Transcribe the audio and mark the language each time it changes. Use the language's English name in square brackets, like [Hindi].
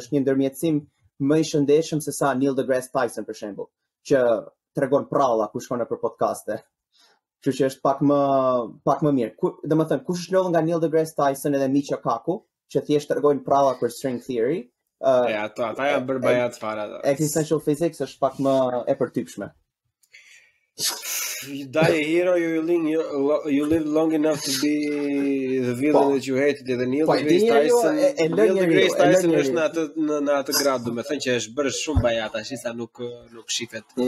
[Albanian] Është një ndërmjetësim më i shëndetshëm se sa Neil deGrasse Tyson për shembull, që tregon prallla kur shkon nëpër podcaste. Kështu që është pak më mirë. Domethënë, kush është ndodhur nga Neil deGrasse Tyson edhe Michio Kaku, që thjesht tregojnë prallla për string theory. Ata janë bërë bajat fara. Existential physics është pak më e përtypshme. [English] You die a hero, you live long enough to be the villain that you hated. [Albanian] Edhe Neil deGrasse Tyson, Neil deGrasse Tyson është në atë grad, do me thënë që është bërë shumë bajat, ashtë sa nuk shifet.